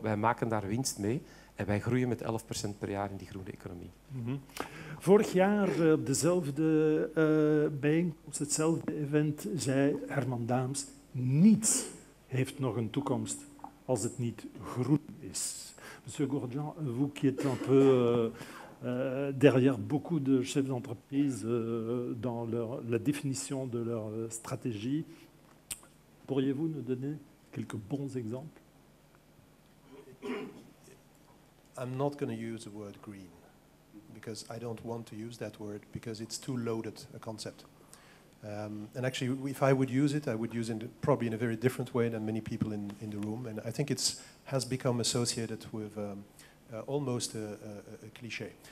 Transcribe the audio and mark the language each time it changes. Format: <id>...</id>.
<nl>Wij maken daar winst mee en wij groeien met 11% per jaar in die groene economie. Mm-hmm. Vorig jaar op dezelfde bijeenkomst, hetzelfde event, zei Herman Daams: niets heeft nog een toekomst als het niet groen is.</nl> <fr>Monsieur Gourdian, vous qui êtes un peu derrière beaucoup de chefs d'entreprise dans la définition de leur stratégie, pourriez-vous nous donner quelques bons exemples?</fr> <en>I'm not going to use the word green because I don't want to use that word because it's too loaded a concept. And actually, if I would use it, I would use it probably in a very different way than many people in the room. And I think it has become associated with almost a cliché.</en>